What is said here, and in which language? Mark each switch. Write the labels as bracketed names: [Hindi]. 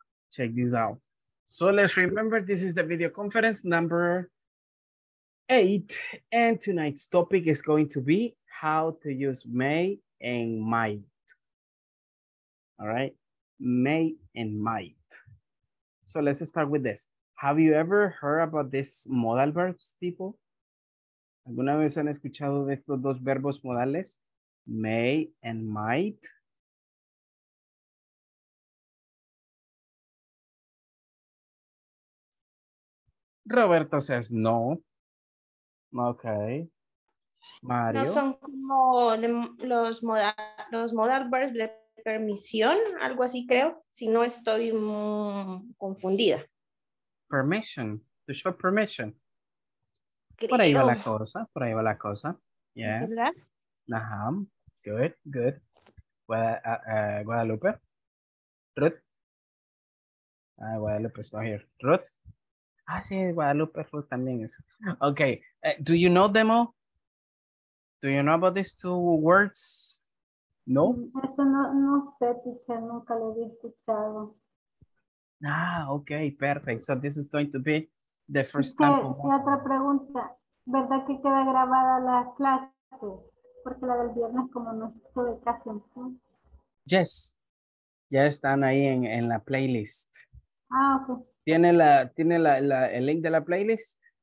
[English] Check this out. So let's remember, this is the video conference number 8. And tonight's topic is going to be how to use may and might. All right, may and might. So let's start with this. Have you ever heard about these modal verbs, people? [Spanish] ¿Alguna vez han escuchado de estos dos verbos modales? [English] May and might. Roberto says no. Okay. Mario. [Spanish] No son como de los modal verbs de permisión, algo así creo, si no estoy confundida. [English] Permission, to show permission. [Spanish] Creo. Por ahí va la cosa, por ahí va la cosa. [English] Yeah. [Spanish] ¿Verdad? [English] Ajá. Good, good. Guadalupe. Ruth. [Spanish] Guadalupe [English] is not here. [Spanish] Ruth. Ah, sí, Guadalupe también es. [English] Okay, do you know them all? Do you know about these two words? No? [Spanish] Eso no sé, teacher, nunca lo había escuchado. [English] Ah, okay, perfect. So this is going to be the first time. [Spanish] Y otra pregunta, ¿verdad que queda grabada la clase? Porque la del viernes como no estuve casi en fin. [English] Yes, [Spanish] ya están ahí en la playlist. [English] Ah, okay. [Spanish] ¿Tiene el link de la playlist?